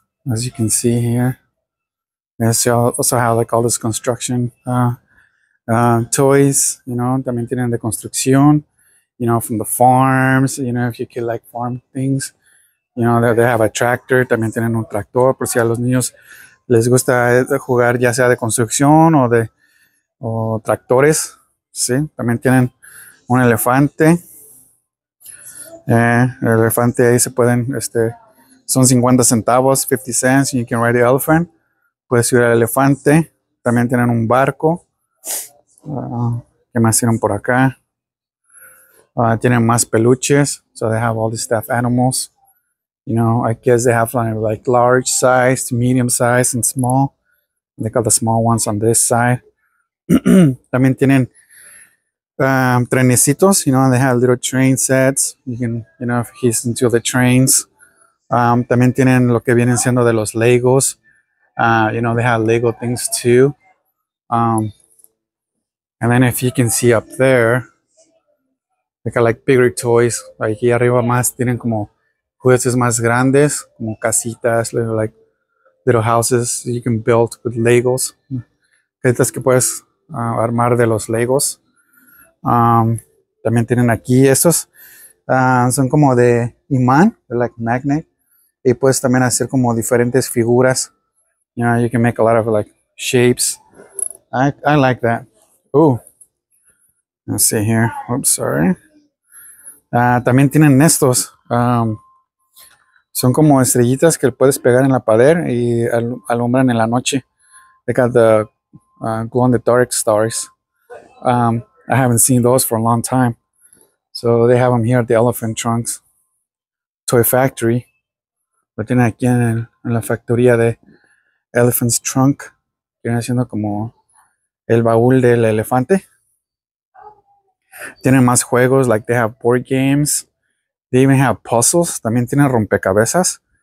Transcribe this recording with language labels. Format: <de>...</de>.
<en>As you can see here. And they also have like all this construction toys. You know,</en> <es>también tienen de construcción.</es> <en>You know, from the farms. You know, if you could like farm things. You know, they have a tractor.</en> <es>También tienen un tractor. Por si a los niños les gusta jugar ya sea de construcción o tractores. Sí, también tienen un elefante. El elefante ahí se pueden, son 50 centavos,</es> <en>50 cents, you can ride the elephant.</en> <es>Puedes subir al elefante. También tienen un barco. ¿Qué más tienen por acá? Tienen más peluches.</es> <en>So they have all the stuffed animals. You know, I guess they have like large size, medium size, and small. They got the small ones on this side.</en> <es>También tienen</es> <en>Trenecitos, you know, and they have little train sets. You can, you know, if he's into the trains.</en> <es>También tienen lo que vienen siendo de los Legos.</es> <en>You know, they have Lego things too. And then if you can see up there, they got like bigger toys.</en> <es>Aquí arriba más tienen como juguetes más grandes, como casitas,</es> <en>like little houses you can build with Legos.</en> <es>Casitas que puedes armar de los Legos. También tienen aquí estos. Son como de imán,</es> <en>like magnet.</en> <es>Y puedes también hacer como diferentes figuras.</es> <en>You know, you can make a lot of like shapes. I like that. Oh, let's see here. Oops, sorry.</en> <es>También tienen estos. Son como estrellitas que puedes pegar en la pared y alumbran en la noche.</es> <en>They got the glow in the dark stars. I haven't seen those for a long time. So they have them here at the Elephant Trunks Toy Factory.</en> <es>Lo tienen aquí en la factoría de Elephant's Trunk. Vienen haciendo como el baúl del elefante. Tienen más juegos,</es> <en>like they have board games. They even have puzzles.</en> <es>También tienen rompecabezas.</es>